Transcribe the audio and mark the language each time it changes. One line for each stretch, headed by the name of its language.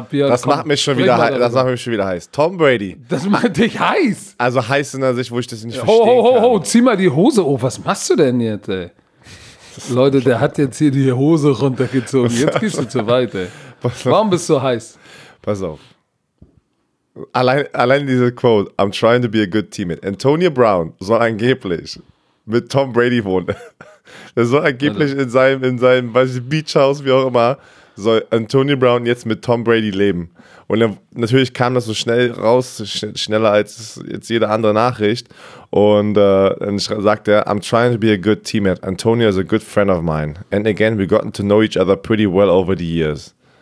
German: Björn, das komm, macht mich schon wieder heiß. Das macht mich schon wieder heiß. Tom Brady. Das macht dich heiß. Also heiß in der Sicht, wo ich das nicht verstehe. Ho, zieh mal die Hose hoch. Was machst du denn jetzt, ey? Leute, der hat jetzt hier die Hose runtergezogen. Jetzt gehst du zu weit, ey. Warum bist du heiß? Pass auf. Allein diese Quote:
English: I'm trying to be a good teammate.
German: Antonio Brown soll angeblich mit Tom Brady wohnen. Er soll angeblich in seinem Beach House, wie auch immer, soll Antonio Brown jetzt mit Tom Brady leben. Und natürlich kam das so schnell raus, schneller als jetzt jede andere Nachricht. Und dann sagt er,
English: I'm trying to be a good teammate. Antonio is a good friend of mine. And again, we've gotten to know each other pretty well over the years.